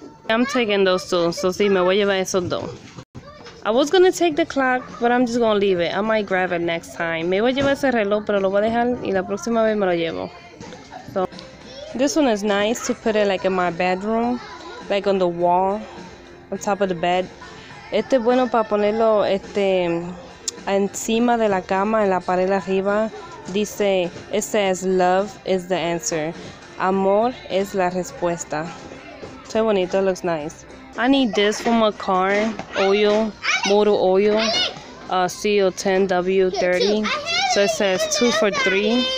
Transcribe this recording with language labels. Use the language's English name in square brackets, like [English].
[English] I'm taking those two. So [Spanish] sí, me voy a llevar esos dos. [English] I was gonna take the clock, but I'm just gonna leave it. I might grab it next time. [Spanish] Me voy a llevar ese reloj, pero lo voy a dejar y la próxima vez me lo llevo. [English] So, this one is nice to put it like in my bedroom, like on the wall, on top of the bed. [Spanish] Este es bueno para ponerlo encima de la cama, en la pared arriba. Dice, [English] it says love is the answer. [Spanish] Amor es la respuesta. Qué bonito, [English] looks nice. I need this for my car, oil, motor oil, CO10W30, so it says 2 for $3.